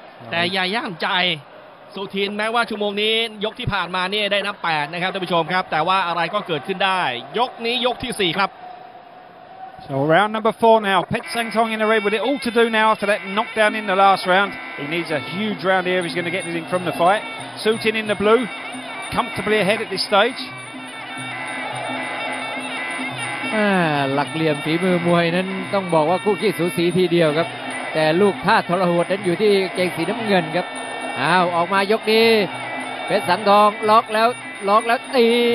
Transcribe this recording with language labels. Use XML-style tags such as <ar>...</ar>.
<th>แต่อย่าย่ามใจสุทินแม้ว่าชั่วโมงนี้ยกที่ผ่านมาเนี่ยได้นับ8นะครับท่านผู้ชมครับแต่ว่าอะไรก็เกิดขึ้นได้ยกนี้ยกที่4ครับ</th> <en>So round number 4 now Pit Seng Tong in the red with it all to do now after that knockdown in the last round He needs a huge round here if he's going to get anything from the fight Sutin in the blue comfortably ahead at this stage</en> <th>หลักเหลี่ยมฝีมือมวยนั้นต้องบอกว่าคู่ขี้สูสีทีเดียวครับแต่ลูกท่าทรหดนั้นอยู่ที่เกงสีน้ำเงินครับอ้าวออกมายกนี้เพชรสังทองล็อกแล้วล็อกแล้วตี</th>